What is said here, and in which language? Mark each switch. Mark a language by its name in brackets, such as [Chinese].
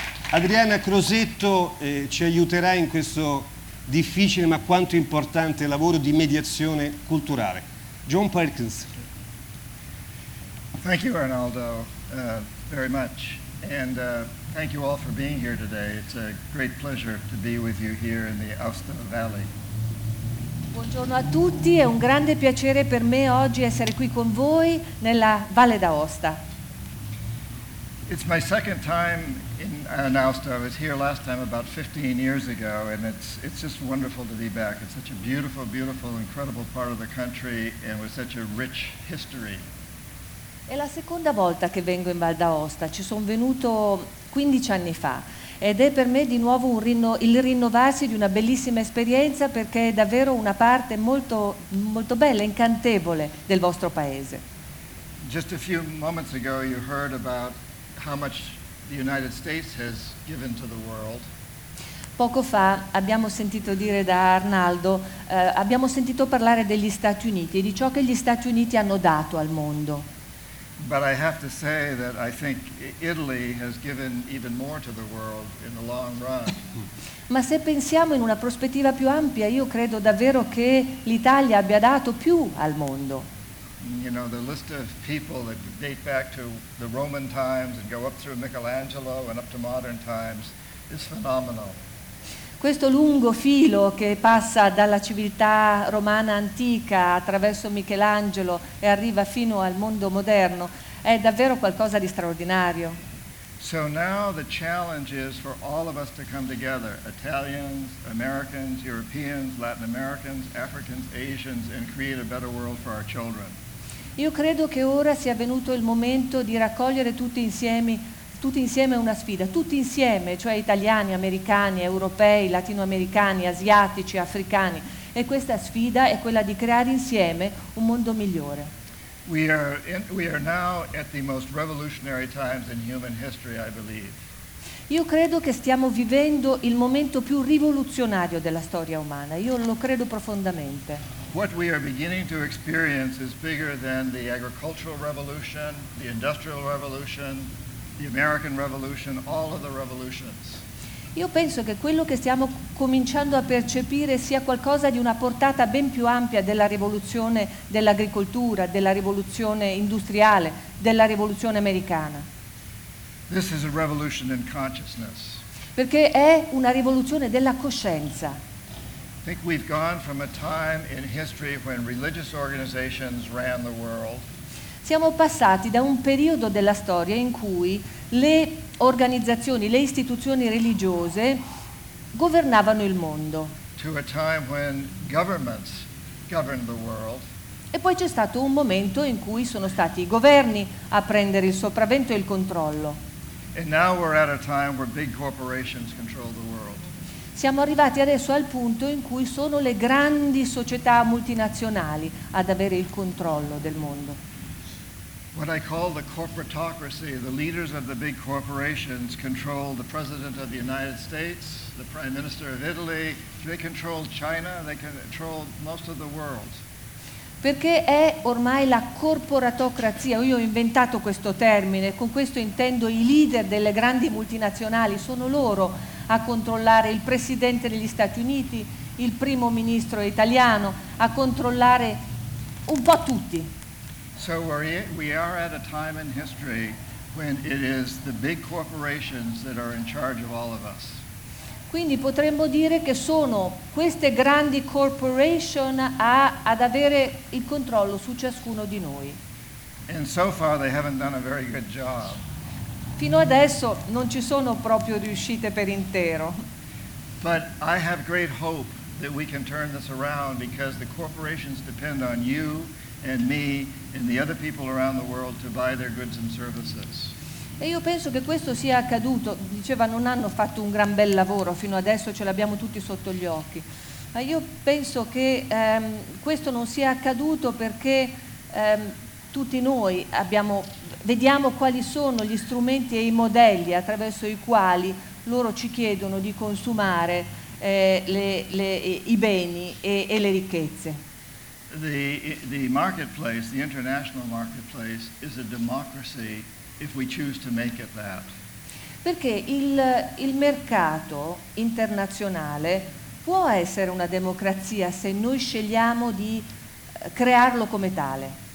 [Italian] Adriana Crosetto ci aiuterà in questo difficile ma quanto importante lavoro di mediazione culturale. John Perkins. [English] Thank you, Arnaldo, very much. And thank you all for being here today. It's a great pleasure to be with you here in the Aosta Valley. [Italian] Buongiorno a tutti, è un grande piacere per me oggi essere qui con voi nella Valle d'Aosta. [English] It's my second time in Aosta. I was here last time about 15 years ago, and it's just wonderful to be back. It's such a beautiful, beautiful, incredible part of the country, and with such a rich history. [Italian] È la seconda volta che vengo in Val d'Aosta. Ci sono venuto 15 anni fa. Ed è per me di nuovo il rinnovarsi di una bellissima esperienza, perché è davvero una parte molto, molto bella, incantevole del vostro paese. [English] Just a few moments ago you heard about how much the United States has given to the world. [Italian] Poco fa abbiamo sentito dire da Arnaldo, abbiamo sentito parlare degli Stati Uniti e di ciò che gli Stati Uniti hanno dato al mondo. [English] But I have to say that I think Italy has given even more to the world in the long run. [Italian] Ma se pensiamo in una prospettiva più ampia, io credo davvero che l'Italia abbia dato più al mondo. [English] You know, the list of people that date back to the Roman times and go up through Michelangelo and up to modern times is phenomenal. [Italian] Questo lungo filo che passa dalla civiltà romana antica attraverso Michelangelo e arriva fino al mondo moderno è davvero qualcosa di straordinario. [English] So now the challenge is for all of us to come together, Italians, Americans, Europeans, Latin Americans, Africans, Asians, and create a better world for our children. [Italian] Io credo che ora sia venuto il momento di raccogliere tutti insieme. Tutti insieme è una sfida, tutti insieme, cioè italiani, americani, europei, latinoamericani, asiatici, africani. E questa sfida è quella di creare insieme un mondo migliore. [English] We are now at the most revolutionary times in human history, I believe. [Italian] Io credo che stiamo vivendo il momento più rivoluzionario della storia umana, io lo credo profondamente. [English] What we are beginning to experience is bigger than the agricultural revolution, the industrial revolution, the American Revolution, all of the revolutions. [Italian] Io penso che quello che stiamo cominciando a percepire sia qualcosa di una portata ben più ampia della rivoluzione dell'agricoltura, della rivoluzione industriale, della rivoluzione americana. [English] This is a revolution in consciousness. [Italian] Perché è una rivoluzione della coscienza. [English] I think we've gone from a time in history when religious organizations ran the world. [Italian] Siamo passati da un periodo della storia in cui le organizzazioni, le istituzioni religiose governavano il mondo. [English] To a time when governments governed the world. [Italian] E poi c'è stato un momento in cui sono stati i governi a prendere il sopravvento e il controllo. [English] And now we're at a time where big corporations control the world. [Italian] Siamo arrivati adesso al punto in cui sono le grandi società multinazionali ad avere il controllo del mondo. [English] What I call the corporatocracy, the leaders of the big corporations control the President of the United States, the Prime Minister of Italy, they control China, they control most of the world. [Italian] Perché è ormai la corporatocrazia, io ho inventato questo termine, con questo intendo i leader delle grandi multinazionali, sono loro a controllare il presidente degli Stati Uniti, il primo ministro italiano, a controllare un po' tutti. [English] So we are at a time in history when it is the big corporations that are in charge of all of us. [Italian] Quindi potremmo dire che sono queste grandi corporation ad avere il controllo su ciascuno di noi. [English] And so far they haven't done a very good job. [Italian] Fino adesso non ci sono proprio riuscite per intero. [English] But I have great hope that we can turn this around because the corporations depend on you and me and the other people around the world to buy their goods and services. [Italian] E io penso che questo sia accaduto, diceva non hanno fatto un gran bel lavoro fino adesso, ce l'abbiamo tutti sotto gli occhi, ma io penso che questo non sia accaduto perché tutti noi vediamo quali sono gli strumenti e i modelli attraverso i quali loro ci chiedono di consumare i beni e le ricchezze. [English] The marketplace, the international marketplace, is a democracy. If we choose to make it that. [Italian] Perché il mercato internazionale può essere una democrazia se noi scegliamo di crearlo come tale.